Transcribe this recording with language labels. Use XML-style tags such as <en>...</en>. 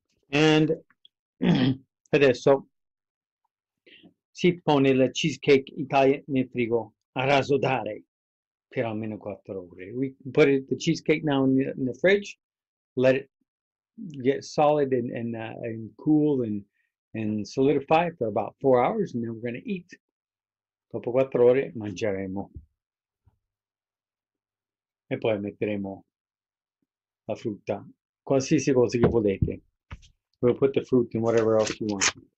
<it>And adesso si pone il cheesecake italiano nel frigo a rasodare per almeno 4 ore.</it> <en>We put the cheesecake now in the fridge. Let it get solid and cool and solidify for about 4 hours, and then we're going to eat.</en> <it>Dopo 4 ore mangeremo. E poi metteremo la frutta, qualsiasi cosa che volete.</it> <en>We'll put the fruit in whatever else you want.</en>